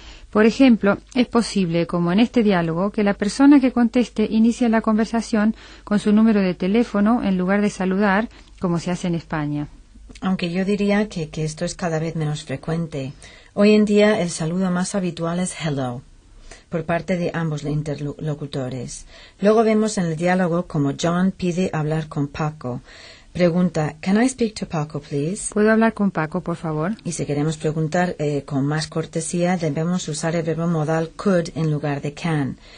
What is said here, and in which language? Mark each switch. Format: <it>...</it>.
<es>Por ejemplo, es posible, como en este diálogo, que la persona que conteste inicie la conversación con su número de teléfono en lugar de saludar, como se hace en España. Aunque yo diría que esto es cada vez menos frecuente. Hoy en día el saludo más habitual es hello, por parte de ambos interlocutores. Luego vemos en el diálogo como John pide hablar con Paco. Pregunta,</es> <en>can I speak to Paco, please?</en> <es>¿Puedo hablar con Paco, por favor? Y si queremos preguntar con más cortesía, debemos usar el verbo modal could en lugar de can.</es>